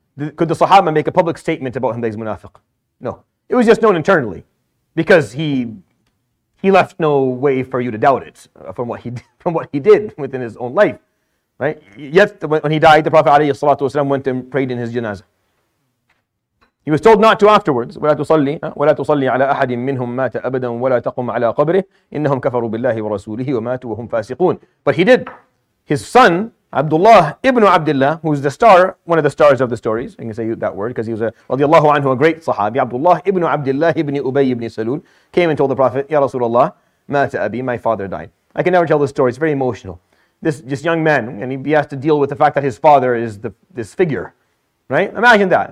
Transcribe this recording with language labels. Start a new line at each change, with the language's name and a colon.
English: Could the Sahaba make a public statement about him that he's munafiq? No. It was just known internally, because he left no way for you to doubt it from what he did within his own life, right? Yet when he died, the Prophet alayhi salatu wasalam went and prayed in his janazah. He was told not to afterwards.
Arabic: ولا تصلي على أحد منهم مات أبدا ولا تقم على قبره إنهم كفروا بالله ورسوله وماتوا وهم فاسقون.
English: But he did. His son Abdullah ibn Abdullah, who's the star, one of the stars of the stories, I can say that word because he was a radiallahu anhu, a great sahabi, Abdullah ibn Abdullah ibn Ubay ibn Salul, came and told the Prophet, Ya Rasulullah,
Arabic: mata abi,
English: my father died. I can never tell this story, it's very emotional. This young man, and he has to deal with the fact that his father is this figure, right? Imagine that.